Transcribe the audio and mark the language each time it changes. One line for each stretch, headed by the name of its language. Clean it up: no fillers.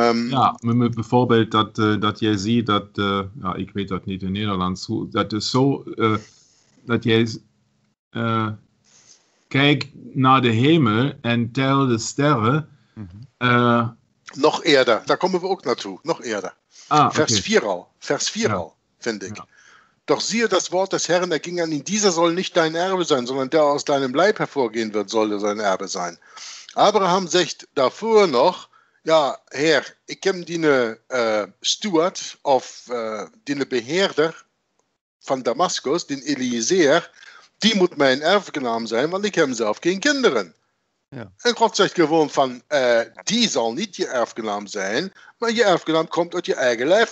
Dutch: Ja, met bijvoorbeeld dat jij ziet dat, ja, ik weet dat niet in Nederlands, dat is zo, dat jij... kijk naar de hemel en tel de sterren. Mm-hmm. Nog eerder, daar komen we ook naartoe. Nog eerder. Ah, vers 4 al. Vers 4 al, vind ik. Ja.
German: Doch siehe, das Wort des Herrn, der ging an ihn, dieser soll nicht dein Erbe sein, sondern der aus deinem Leib hervorgehen wird, soll sein Erbe sein.
Dutch: Abraham zegt daarvoor nog, ja, Herr, ik heb die steward of die beheerder van Damascus, den Eliezer. Die moet mijn erfgenaam zijn, want ik heb zelf geen kinderen. Ja. En God zegt gewoon van, die zal niet je erfgenaam zijn, maar je erfgenaam komt uit je eigen lijf.